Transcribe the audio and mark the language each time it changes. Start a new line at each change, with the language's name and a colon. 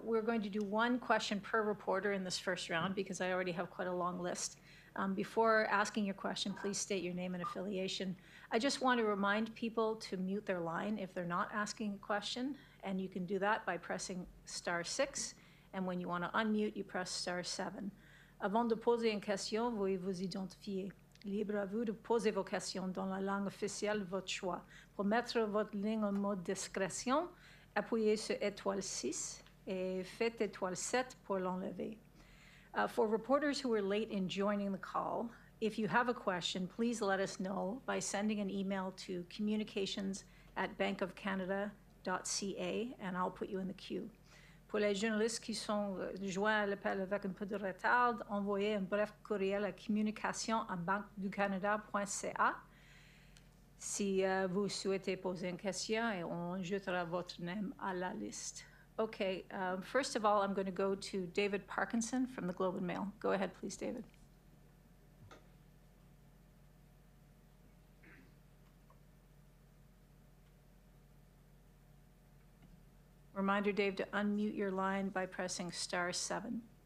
English: We're going to do one question per reporter in this first round because I already have quite a long list. Before asking your question, please state your name and affiliation. I just want to remind people to mute their line if they're not asking a question, and you can do that by pressing star 6, and when you want to unmute, you press star 7.
French: Avant de poser une question, veuillez vous identifier. Libre à vous de poser vos questions dans la langue officielle de votre choix. Pour mettre votre ligne en mode discrétion, appuyez sur étoile 6 et faites étoile 7 pour l'enlever.
English: For reporters who were late in joining the call, if you have a question, please let us know by sending an email to communications@bankofcanada.ca and I'll put you in the queue.
French: Pour les journalistes qui sont joints à l'appel avec un peu de retard, envoyez un bref courriel à communications@bankofcanada.ca si vous souhaitez poser une question et on jettera votre nom à la liste.
English: Okay, first of all, I'm going to go to David Parkinson from the Globe and Mail. Go ahead, please, David. Reminder, Dave, to unmute your line by pressing star 7.